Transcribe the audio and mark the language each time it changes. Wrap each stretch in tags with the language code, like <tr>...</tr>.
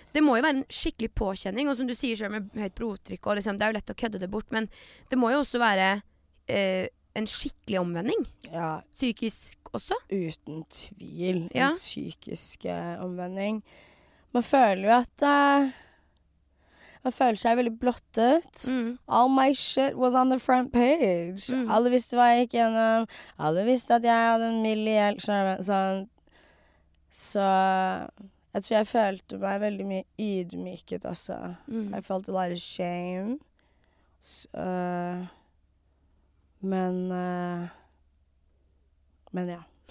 <no>Det må jo være en skikkelig påkjenning, og som du sier selv med høyt blodtrykk, og liksom, det jo lett å kødde det bort, men det må jo også være en skikkelig omvending. Ja. Psykisk også. Uten tvil. Ja. En psykisk omvending. Man føler jo at jeg føler seg veldig blottet. Mm.</no> <en>All my shit was on the front page. Mm.</en> <no>Alle visste hva jeg gikk gjennom. Alle visste at jeg hadde en mild hjelp. Sånn. Så jeg tror jeg følte meg veldig mye ydmyket også. Mm.</no> <en>I felt a lot of shame.</en> <no>Så, men ja.</no>